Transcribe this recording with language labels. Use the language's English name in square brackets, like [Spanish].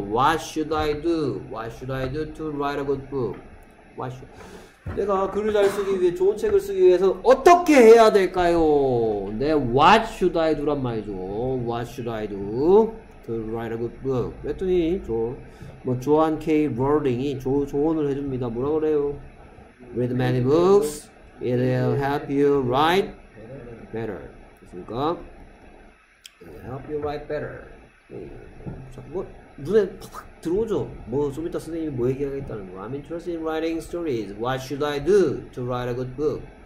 [English] What should I do to write a good book? What should [Korean] 내가 글을 잘 쓰기 위해 좋은 책을 쓰기 위해서 어떻게 해야 될까요? [English] 내 What should I do [Korean] 란 말이죠. [English] What should I do to write a good book? [Korean] 그랬더니 조한 K. 롤링이 조언을 해줍니다. 뭐라 그래요? [English] Read many books. It'll help you write better. [Korean] 그러니까 help you write better. 자, 뭐 눈에 팍 들어오죠. 뭐 좀 이따 선생님이 뭐 얘기하겠다는 거. [English] I'm interested in writing stories. What should I do to write a good book?